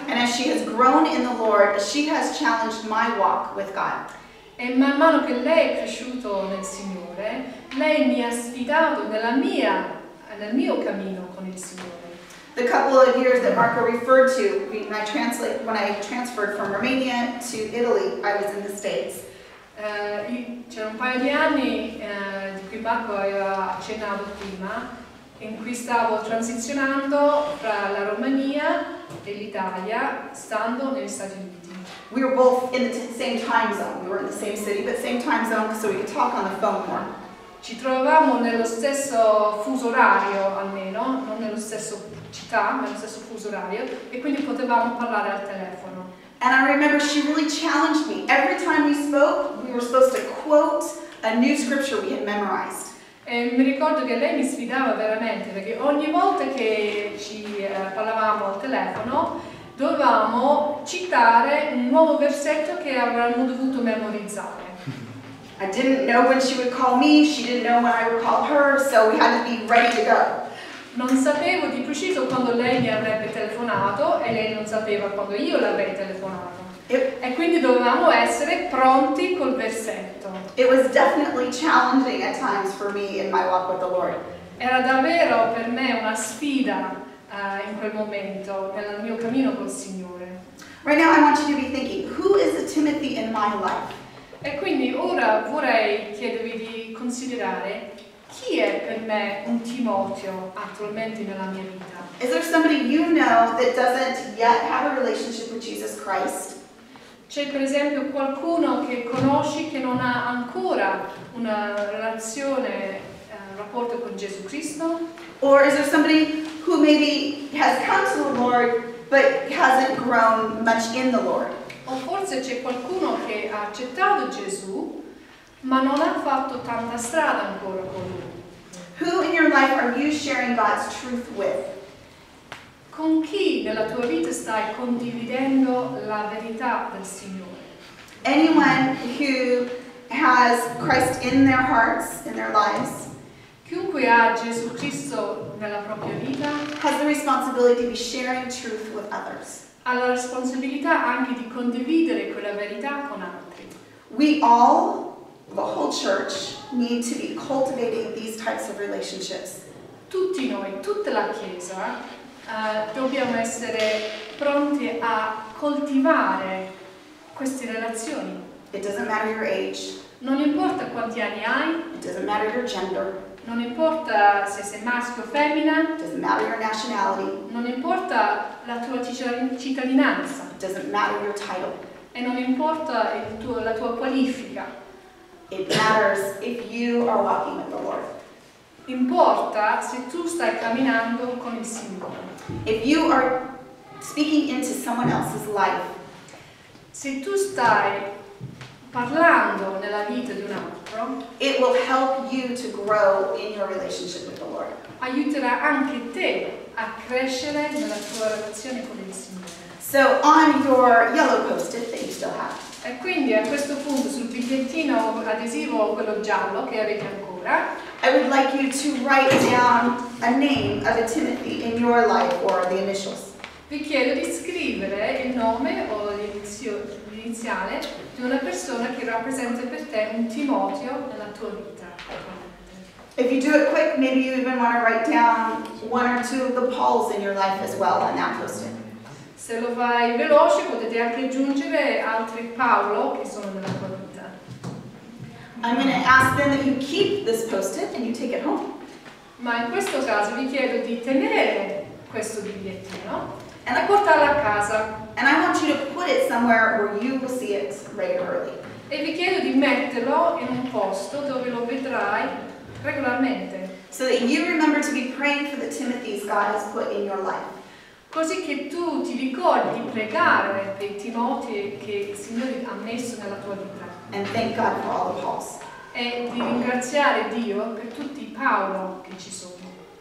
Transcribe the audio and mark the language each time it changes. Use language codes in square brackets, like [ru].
[en] And as she has grown in the Lord, she has challenged my walk with God. [it] E man mano che lei è cresciuto nel Signore, lei mi ha sfidato nel mio cammino con il Signore. [en] The couple of years that Marco referred to, when I transferred from Romania to Italy, I was in the States. [it] C'era un paio di anni di cui Marco aveva accennato prima, in cui stavo transizionando fra la Romania e l'Italia, stando negli Stati Uniti. [en] We were both in the same time zone. We were in the same city, but same time zone, so we could talk on the phone more. [it] Ci trovavamo nello stesso fuso orario, almeno, non nello stesso città, ma nello stesso fuso orario, e quindi potevamo parlare al telefono. [en] And I remember she really challenged me. Every time we spoke, we were supposed to quote a new scripture we had memorized. [it] E mi ricordo che lei mi sfidava veramente, perché ogni volta che ci parlavamo al telefono dovevamo citare un nuovo versetto che avremmo dovuto memorizzare. [en] I didn't know when she would call me, she didn't know when I would call her, so we had to be ready to go. [it] Non sapevo di preciso quando lei mi avrebbe telefonato e lei non sapeva quando io l'avrei telefonato. E quindi dovevamo essere pronti col versetto. [en] It was definitely challenging at times for me in my walk with the Lord. [it] Era davvero per me una sfida in quel momento nel mio cammino col Signore. [en] Right now I want you to be thinking, who is a Timothy in my life? [it] E quindi ora vorrei chiedervi di considerare chi è per me un Timoteo attualmente nella mia vita. [en] Is there somebody you know that doesn't yet have a relationship with Jesus Christ? [it] C'è per esempio qualcuno che conosci che non ha ancora una relazione, un rapporto con Gesù Cristo? [en] Or is there somebody who maybe has come to the Lord but hasn't grown much in the Lord? [it] O forse c'è qualcuno che ha accettato Gesù ma non ha fatto tanta strada ancora con lui. [en] Who in your life are you sharing God's truth with? [it] Con chi nella tua vita stai condividendo la verità del Signore? [en] Anyone who has Christ in their hearts, in their lives, [it] chiunque ha Gesù Cristo nella propria vita, [en] has the responsibility to be sharing truth with others. [it] Ha la responsabilità anche di condividere quella verità con altri. [en] We all, the whole church, need to be cultivating these types of relationships. [it] Tutti noi, tutta la Chiesa, dobbiamo essere pronti a coltivare queste relazioni. [en] It doesn't matter your age. [it] Non importa quanti anni hai. [en] It doesn't matter your gender. [it] Non importa se sei maschio o femmina. [en] It doesn't matter your nationality. [it] Non importa la tua cittadinanza. [en] It doesn't matter your title. [it] E non importa la tua qualifica. [en] It matters if you are walking with the Lord. [it] Importa se tu stai camminando con il Signore. [en] If you are speaking into someone else's life, [it] se tu stai parlando nella vita di un altro, [en] it will help you to grow in your relationship with the Lord. [it] Aiuterà anche te a crescere nella tua relazione con il Signore. [en] So on your yellow post-it that you still have. [it] E quindi a questo punto sul bigliettino adesivo quello giallo che avete ancora, [en] I would like you to write down a name of a Timothy in your life or the initials. [it] Vi chiedo di scrivere il nome o l'iniziale di una persona che rappresenta per te un Timoteo nella tua vita. [en] If you do it quick, maybe you even want to write down one or two of the Pauls in your life as well on that post-it. [it] Se lo fai veloce potete anche aggiungere altri Paolo che sono nella tua vita. [en] I'm going to ask then that you keep this post-it and you take it home. [it] Ma in questo caso vi chiedo di tenere questo bigliettino e da portarlo a casa. [en] And I want you to put it somewhere where you will see it regularly. [it] E vi chiedo di metterlo in un posto dove lo vedrai regolarmente. [en] So that you remember to be praying for the Timothys God has put in your life. [it] Così che tu ti ricordi di pregare per i Timotei che il Signore ha messo nella tua vita. [en] And thank God for all the Pauls. [it] E di ringraziare Dio per tutti i Paolo che ci sono.